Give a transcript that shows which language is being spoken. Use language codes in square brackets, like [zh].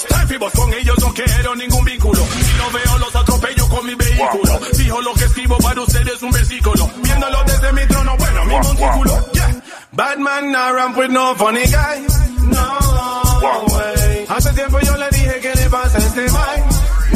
[es] Tres vivos con ellos, no quiero ningún vínculo. Si no veo, los atropello con mi vehículo. Fijo lo que escribo para ustedes, un versículo. Viéndolo desde mi trono, bueno, mi montículo. Yeah. [en] Bad man, no ramp with no funny guy. No way. [es] Hace tiempo yo le dije que le pasa a este mic.